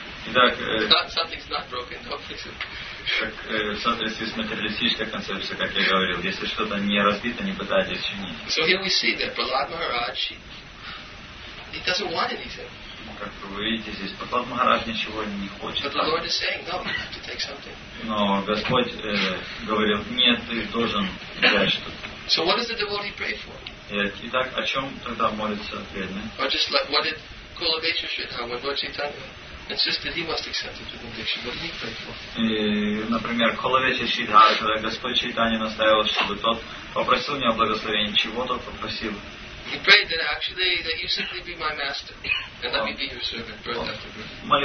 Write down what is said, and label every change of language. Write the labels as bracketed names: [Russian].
[Russian] Итак, [English] something's not broken, don't fix it. [Russian] Как, в соответствии с материалистической концепцией, как я говорил, если что-то не разбито, не пытайтесь чинить. [English] So here we see that Prahlad Maharaj, he doesn't want anything. [Russian] Как вы видите здесь, Прахлад Махарадж ничего не хочет. [English] But the Lord is saying, no, you have to take something. [Russian] Но Господь говорил, нет, ты должен взять что-то. [English] So what does the devotee pray for? [Russian] Итак, о чем тогда молится преданный? [English] Or just like, what did Kulabhetra Shrithar, Lord Chaitanya, insisted he must accept the benediction, what did he pray for? [Russian] Например, Kulabhetra Shrithar, когда Господь Чайтанья настаивал, чтобы тот попросил у него благословение, чего тот попросил? [English] He prayed that actually that you simply be my master and let me be your servant, birth after birth.